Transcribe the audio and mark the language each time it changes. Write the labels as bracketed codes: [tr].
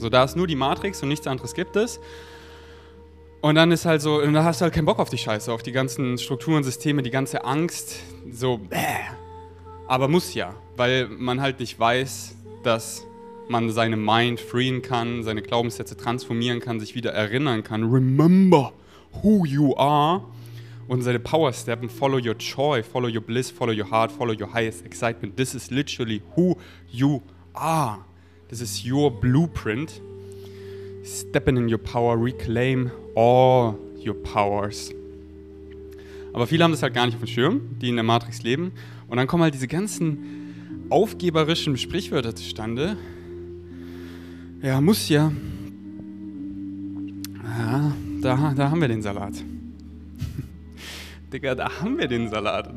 [de] So, da ist nur die Matrix und nichts anderes gibt es. Und dann ist halt so, und da hast du halt keinen Bock auf die Scheiße, auf die ganzen Strukturen, Systeme, die ganze Angst, so bäh. Aber muss ja, weil man halt nicht weiß, dass man seine Mind freeen kann, seine Glaubenssätze transformieren kann, sich wieder erinnern kann. [en] Remember who you are. [de] Und seine Power steppen. [en] Follow your joy, follow your bliss, follow your heart, follow your highest excitement. This is literally who you are. This is your blueprint. Stepping in your power, reclaim all your powers. [de] Aber viele haben das halt gar nicht auf dem Schirm, die in der Matrix leben. Und dann kommen halt diese ganzen aufgeberischen Sprichwörter zustande. Ja, muss ja. Ja, da haben wir den Salat. Digga, da haben wir den Salat.